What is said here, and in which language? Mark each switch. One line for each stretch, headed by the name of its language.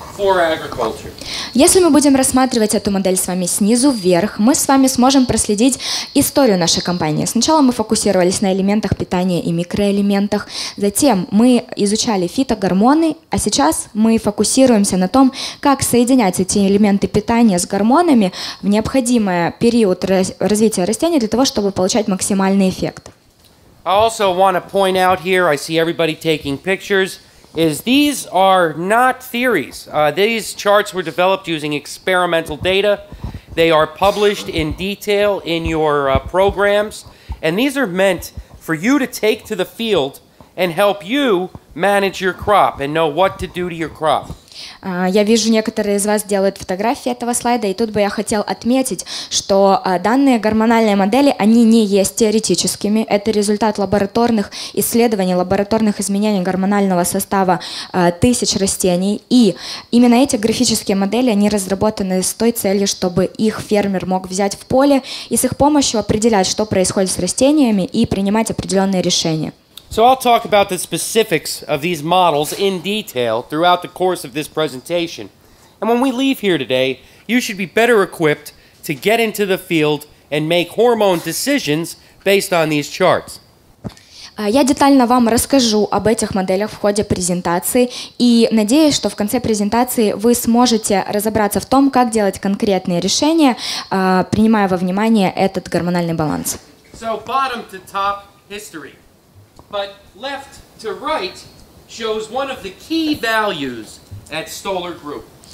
English: for agriculture.
Russian: Если мы будем рассматривать эту модель с вами снизу вверх, мы с вами сможем проследить историю нашей компании. Сначала мы фокусировались на элементах питания и микроэлементах, затем мы изучали фитогормоны, а сейчас мы фокусируемся на том, как соединять эти элементы питания с гормонами в необходимый период развития растения для того, чтобы получать максимальный эффект.
English: I also want to point out here, I see everybody taking pictures, is these are not theories. These charts were developed using experimental data. They are published in detail in your programs. And these are meant for you to take to the field and help you manage your crop and know what to do to your crop.
Russian: Я вижу, некоторые из вас делают фотографии этого слайда, и тут бы я хотел отметить, что данные гормональные модели, они не есть теоретическими. Это результат лабораторных исследований, лабораторных изменений гормонального состава тысяч растений. И именно эти графические модели, они разработаны с той целью, чтобы их фермер мог взять в поле и с их помощью определять, что происходит с растениями, и принимать определенные решения.
English: So I'll talk about the specifics of these models in detail throughout the course of this presentation. And when we leave here today, you should be better equipped to get into the field and make hormone decisions based on these charts.
Russian: Я детально вам расскажу об этих моделях в ходе презентации и надеюсь, что в конце презентации вы сможете разобраться в том, как делать конкретные решения, принимая во внимание этот гормональный баланс.
English: So bottom to top history. But left to right shows one of the key values at Stoller Group.